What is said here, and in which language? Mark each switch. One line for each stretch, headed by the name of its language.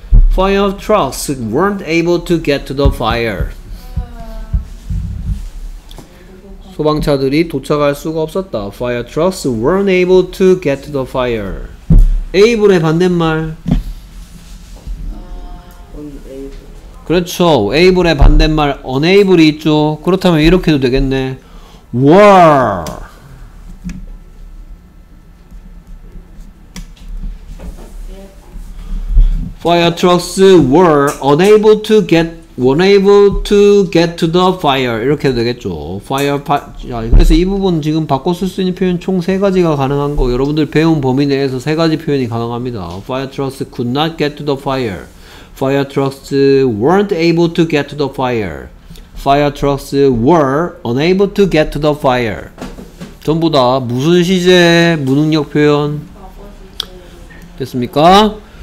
English: Fire trucks weren't able to get to the fire.
Korean: 소방차들이 도착할 수가 없었다.
English: Fire trucks weren't able to get to the fire.
Korean: Able의 반대말. 그렇죠. able의 반대말 unable이 있죠. 그렇다면 이렇게도 되겠네.
English: were. 파이어트럭스 were unable to get to the fire.
Korean: 이렇게 해도 되겠죠.
English: fire part.
Korean: 그래서 이 부분 지금 바꿔 쓸 수 있는 표현 총 세 가지가 가능한 거. 여러분들 배운 범위 내에서 세 가지 표현이 가능합니다.
English: fire trucks could not get to the fire. fire trucks weren't able to get to the fire. fire trucks were unable to get to the fire.
Korean: 전부 다 무슨 시제 무능력 표현 됐습니까?